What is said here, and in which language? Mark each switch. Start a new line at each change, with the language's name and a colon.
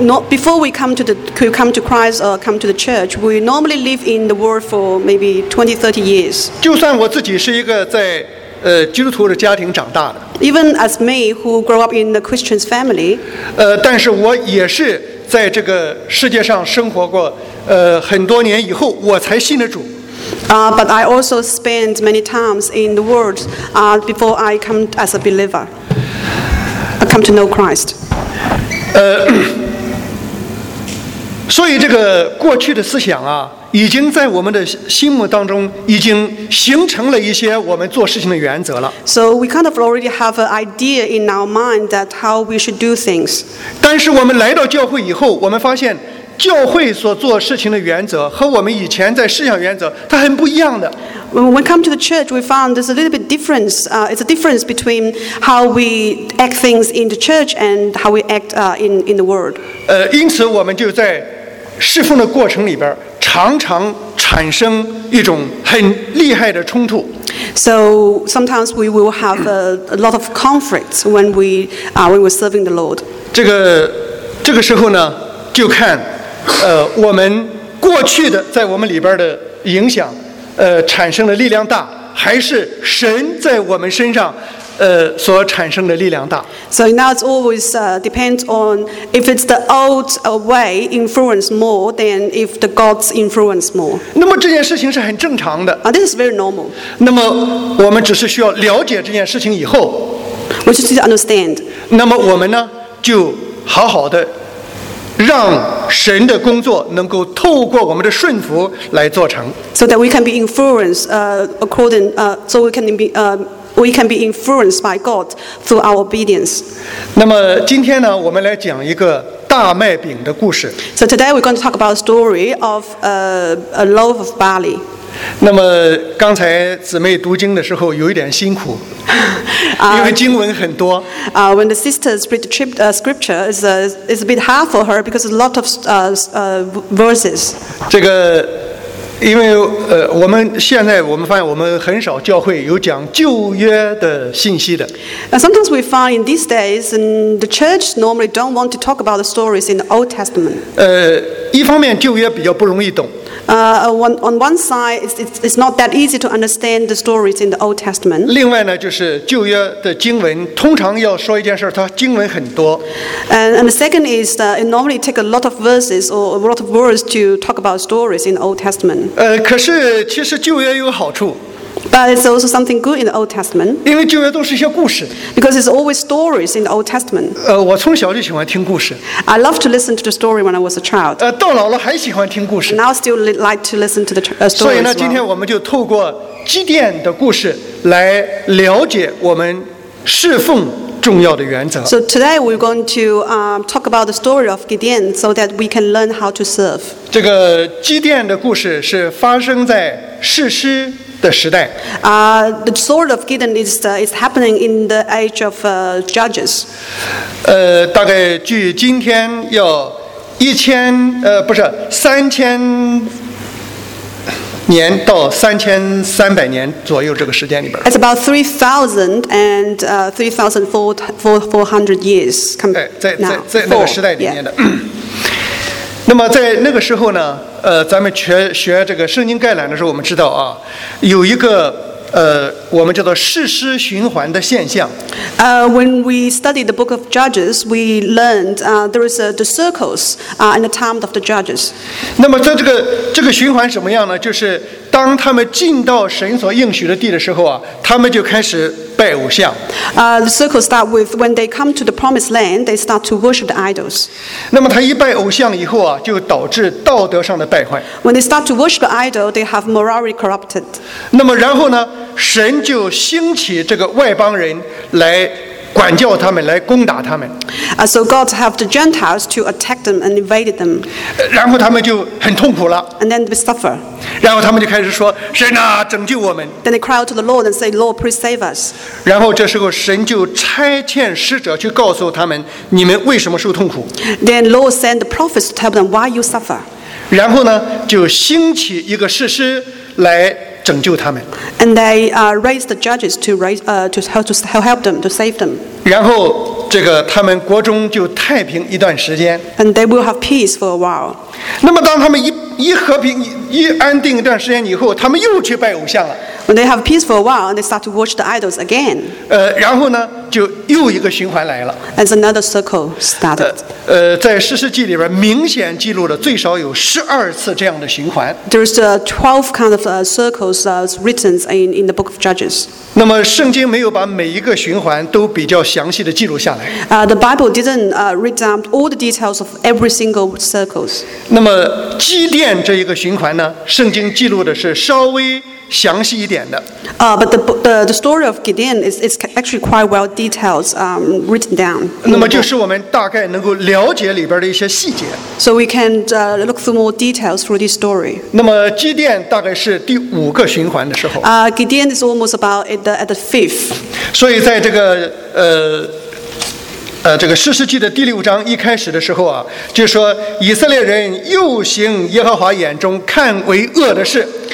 English: Before we come to Christ or come to the church, we normally live in the world for maybe 20-30 years.
Chinese: 就算我自己是一个在基督徒的家庭长大的。
English: Even as me who grew up in the Christian's family.
Chinese: 但是我也是在这个世界上生活过很多年以后，我才信了主。
English: But I also spent many times in the world before I come as a believer. I come to know Christ.
Chinese: 所以这个过去的思想啊，已经在我们的心目当中已经形成了一些我们做事情的原则了。
English: So we kind of already have an idea in our mind that how we should do things.
Chinese: 但是我们来到教会以后，我们发现教会所做事情的原则和我们以前在思想原则它很不一样的。
English: When we come to the church, we found there's a little bit difference. It's a difference between how we act things in the church and how we act in the world.
Chinese: 因此我们就在侍奉的过程里边常常产生一种很厉害的冲突。
English: So sometimes we will have a lot of conflicts when we're serving the Lord.
Chinese: 这个时候呢，就看我们过去的在我们里边的影响产生了力量大，还是神在我们身上所产生的力量大。
English: So now it's always depends on if it's the old way influence more than if the God's influence more.
Chinese: 那么这件事情是很正常的。
English: This is very normal.
Chinese: 那么我们只是需要了解这件事情以后。
English: We just need to understand.
Chinese: 那么我们呢，就好好的让神的工作能够透过我们的顺服来做成。
English: So that we can be influenced, according, so we can be, we can be influenced by God through our obedience.
Chinese: 那么今天呢，我们来讲一个大麦饼的故事。
English: So today we're going to talk about a story of a loaf of barley.
Chinese: 那么刚才姊妹读经的时候有一点辛苦，因为经文很多。
English: When the sisters read the scripture, it's a bit hard for her because a lot of verses.
Chinese: 这个因为我们现在我们发现我们很少教会有讲旧约的信息的。
English: Sometimes we find in these days, and the church normally don't want to talk about the stories in the Old Testament.
Chinese: 一方面旧约比较不容易懂。
English: On one side, it's not that easy to understand the stories in the Old Testament.
Chinese: 另外呢，就是旧约的经文通常要说一件事，它经文很多。
English: And the second is that it normally take a lot of verses or a lot of words to talk about stories in the Old Testament.
Chinese: 可是其实旧约有好处。
English: But it's also something good in the Old Testament.
Chinese: 因为旧约都是一些故事。
English: Because it's always stories in the Old Testament.
Chinese: 我从小就喜欢听故事。
English: I love to listen to the story when I was a child.
Chinese: 到老了还喜欢听故事。
English: Now still like to listen to the story.
Chinese: 所以呢，今天我们就透过基甸的故事来了解我们侍奉重要的原则。
English: So today we're going to talk about the story of Gideon so that we can learn how to serve.
Chinese: 这个基甸的故事是发生在士师。
English: The story of Gideon is happening in the age of judges.
Chinese: 大概距今天要3000年到3300年左右这个时间里边。
English: It's about 3,000 and 3,400 years.
Chinese: 在那个时代里面的。那么在那个时候呢，咱们学这个圣经概览的时候，我们知道啊，有一个我们叫做士师循环的现象。
English: When we study the book of Judges, we learned there is the circles in the time of the judges.
Chinese: 那么在这个循环什么样呢？就是当他们进到神所应许的地的时候啊，他们就开始拜偶像。
English: The circle start with when they come to the promised land, they start to worship the idols.
Chinese: 那么他一拜偶像以后啊，就导致道德上的败坏。
English: When they start to worship the idol, they have morally corrupted.
Chinese: 那么然后呢，神就兴起这个外邦人来管教他们，来攻打他们。
English: So God have the Gentiles to attack them and invade them.
Chinese: 然后他们就很痛苦了。
English: And then they suffer.
Chinese: 然后他们就开始说，神啊，拯救我们。
English: Then they cry out to the Lord and say, Lord, please save us.
Chinese: 然后这时候神就差遣使者去告诉他们，你们为什么受痛苦。
English: Then Lord send the prophets to tell them why you suffer.
Chinese: 然后呢，就兴起一个士师来拯救他们。
English: And they raised the judges to help them, to save them.
Chinese: 然后这个他们国中就太平一段时间。
English: And they will have peace for a while.
Chinese: 那么当他们一和平一安定一段时间以后，他们又去拜偶像了。
English: When they have peace for a while, they start to worship the idols again.
Chinese: 然后呢，就又一个循环来了。
English: As another circle started.
Chinese: 在士师记里边明显记录了最少有12次这样的循环。
English: There is a 12 kind of circles written in the book of Judges.
Chinese: 那么圣经没有把每一个循环都比较详细的记录下来。
English: The Bible didn't write down all the details of every single circles.
Chinese: 那么基甸这一个循环呢，圣经记录的是稍微详细一点的。
English: But the story of Gideon is actually quite well detailed written down.
Chinese: 那么就是我们大概能够了解里边的一些细节。
English: So we can look through more details through this story.
Chinese: 那么基甸大概是第五个循环的时候。
English: Gideon is almost about at the fifth.
Chinese: 所以在这个这个士师记的第六章一开始的时候啊，就说以色列人又行耶和华眼中看为恶的事。